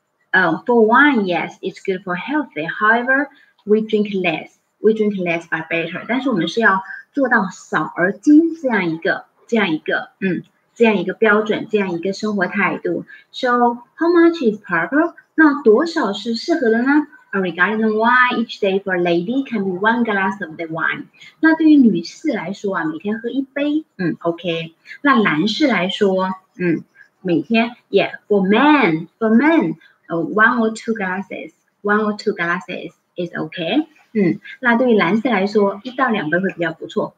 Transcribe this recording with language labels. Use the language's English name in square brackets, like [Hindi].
[English] For wine, yes, it's good for healthy. However, we drink less. We drink less by better. [Chinese] 但是我们是要做到少而精这样一个标准，这样一个生活态度。 [English] So, how much is proper? [Chinese] 那多少是适合的呢？ [English] Regarding the wine, each day for a lady can be one glass of the wine. [Chinese] 那对于女士来说啊，每天喝一杯，OK. 那男士来说，每天 [English] for men, one or two glasses is okay. [Chinese] 那对于男士来说，一到两杯会比较不错。